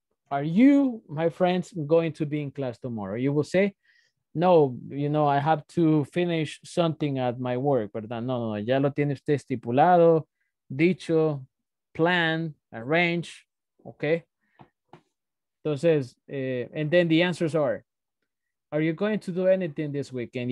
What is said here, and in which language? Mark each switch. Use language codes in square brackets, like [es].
[en] Are you, my friends, going to be in class tomorrow? You will say, no, you know, I have to finish something at my work, ¿verdad? [es] No, no, no, ya lo tiene usted estipulado, dicho. [en] Plan, arrange, okay? [es] Entonces, [en] and then the answers are you going to do anything this weekend?